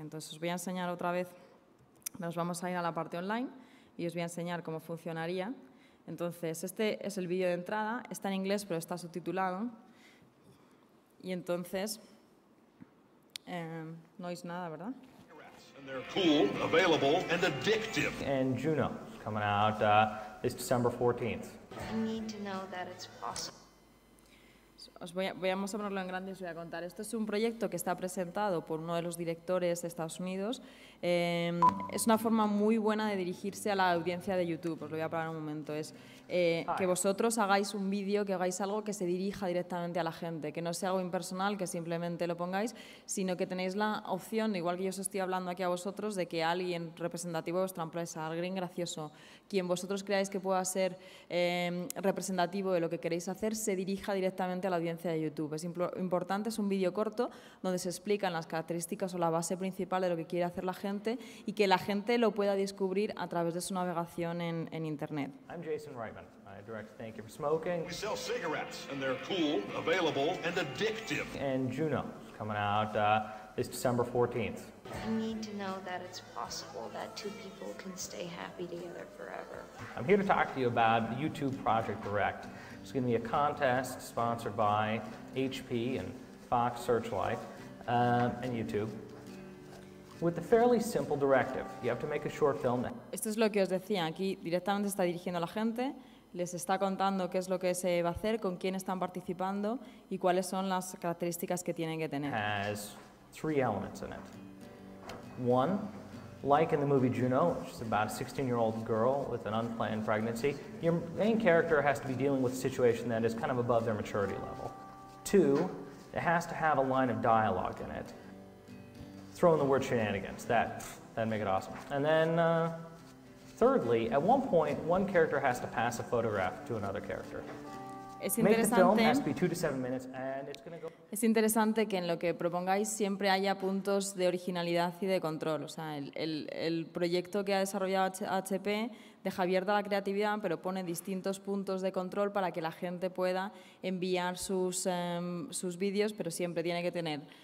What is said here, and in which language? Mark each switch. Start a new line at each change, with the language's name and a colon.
Spanish: Entonces, os voy a enseñar otra vez, nos vamos a ir a la parte online y os voy a enseñar cómo funcionaría. Entonces, este es el vídeo de entrada, está en inglés pero está subtitulado. Y entonces, no oís nada, ¿verdad?
English: They're cool, available, and addictive. And Juno is coming out this December 14th. I need to know that it's possible.
Spanish: Vamos a ponerlo en grande y os voy a contar. Esto es un proyecto que está presentado por uno de los directores de Estados Unidos. Es una forma muy buena de dirigirse a la audiencia de YouTube. Os lo voy a parar un momento. Es que vosotros hagáis un vídeo, que hagáis algo que se dirija directamente a la gente, que no sea algo impersonal, que simplemente lo pongáis, sino que tenéis la opción, igual que yo os estoy hablando aquí a vosotros, de que alguien representativo de vuestra empresa, alguien gracioso, quien vosotros creáis que pueda ser representativo de lo que queréis hacer, se dirija directamente a la audiencia de YouTube. Es importante, es un vídeo corto donde se explican las características o la base principal de lo que quiere hacer la gente y que la gente lo pueda descubrir a través de su navegación en Internet.
English: I'm Jason Reitman. I direct Thank You for Smoking. We sell cigarettes and they're cool, available and addictive. And Juno is coming out is December 14th. I need to know that it's possible that two people can stay happy together forever. I'm here to talk to you about the YouTube Project Direct. It's going to be a contest sponsored by HP and Fox Searchlight and YouTube. With a fairly simple directive, you have to make a short film.
Spanish: Esto es lo que os decía, aquí directamente está dirigiendo a la gente, les está contando qué es lo que se va a hacer, con quién están participando y cuáles son las características que tienen que tener.
English: Has three elements in it. One, like in the movie Juno, which is about a 16-year-old girl with an unplanned pregnancy, your main character has to be dealing with a situation that is kind of above their maturity level. Two, it has to have a line of dialogue in it. Throw in the word shenanigans, that'd make it awesome. And then, thirdly, at one point, one character has to pass a photograph to another character.
Spanish: Es interesante.
English: Make the film has to be 2 to 7 minutes, and it's going to go.
Spanish: Es interesante que en lo que propongáis siempre haya puntos de originalidad y de control. O sea, el proyecto que ha desarrollado HP deja abierta la creatividad, pero pone distintos puntos de control para que la gente pueda enviar sus sus vídeos, pero siempre tiene que tener.